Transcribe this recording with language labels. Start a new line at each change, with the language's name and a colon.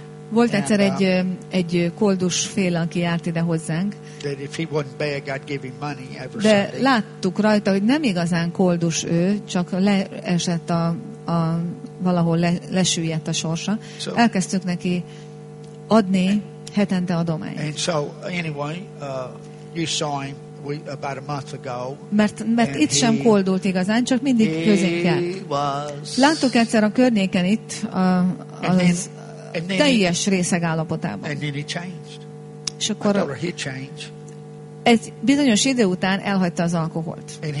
Hungarian: Volt egyszer egy koldus fél, aki járt ide hozzánk.
English: That if he wouldn't beg, I'd give him money every Sunday.
Hungarian: De láttuk rajta, hogy nem igazán koldus ő, csak leesett a valahol lesüllyedt a sorsa. So, elkezdtük neki adni hetente adományt.
English: And so anyway, you saw him about a month ago.
Hungarian: Mert itt sem koldult igazán, csak mindig közénk járt. Láttuk egyszer a környéken itt a teljes részeg állapotában.
English: And then he changed.
Hungarian: És akkor egy bizonyos idő után elhagyta az alkoholt.